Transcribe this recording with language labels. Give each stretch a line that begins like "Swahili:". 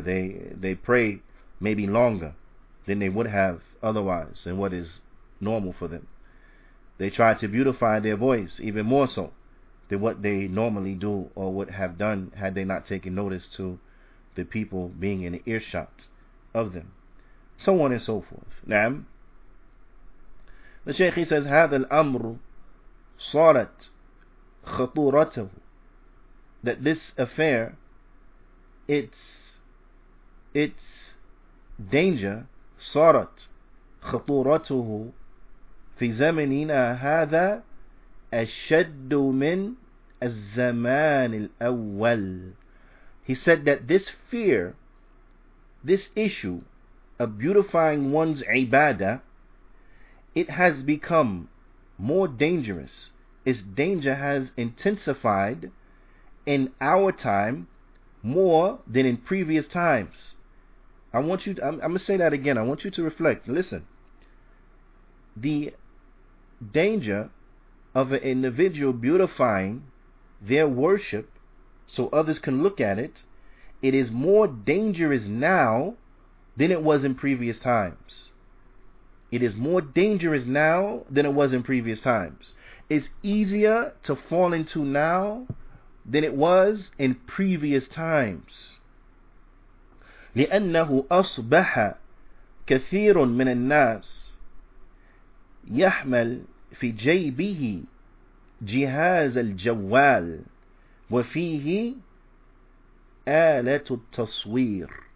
English: They pray maybe longer than they would have otherwise and what is normal for them. They try to beautify their voice even more so than what they normally do or would have done had they not taken notice to the people being in earshot of them. So on and so forth. Naam. The Shaykh, he says,
Arabic: هذا الأمر صارت خطورته.
English: That this affair, its danger,
Arabic: صارت خطورته في زمننا هذا أشد من الزمان الأول.
English: He said that this fear, this issue of beautifying one's ibadah, it has become more dangerous. Its danger has intensified in our time more than in previous times. I'm going to say that again. I want you to reflect. Listen. The danger of an individual beautifying their worship so others can look at it, it is more dangerous now than it was in previous times. It is more dangerous now than it was in previous times. It's easier to fall into now than it was in previous times.
Arabic: لأنه أصبح كثير من الناس يحمل في جيبه جهاز الجوال وفيه آلة التصوير.